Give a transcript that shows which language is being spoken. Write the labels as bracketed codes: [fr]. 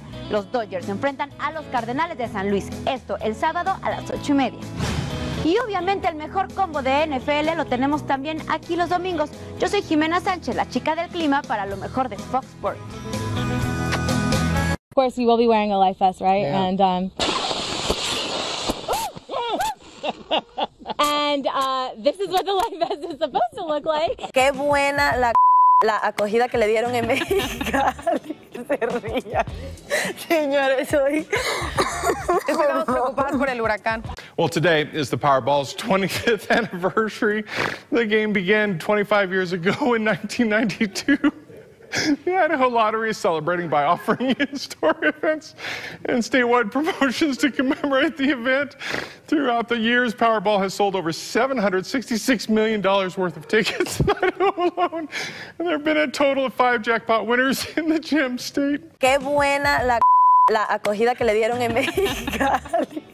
[es] Los Dodgers se enfrentan a los Cardenales de San Luis, esto el sábado a las 8:30. Y obviamente el mejor combo de NFL lo tenemos también aquí los domingos. Yo soy Jimena Sánchez, la chica del clima, para lo mejor de Fox Sports. [en] Of course, you will be wearing a life vest, right? Yeah. And this is what the life vest is supposed to look like. [es] Qué buena la acogida que le dieron en México. [en] Well, today is the Powerball's 25th anniversary. The game began 25 years ago in 1992. The Idaho Lottery is celebrating by offering in-store events and statewide promotions to commemorate the event. Throughout the years, Powerball has sold over $766 million worth of tickets in Idaho alone. And there have been a total of 5 jackpot winners in the gem state. [es] Qué buena la acogida que le dieron en México.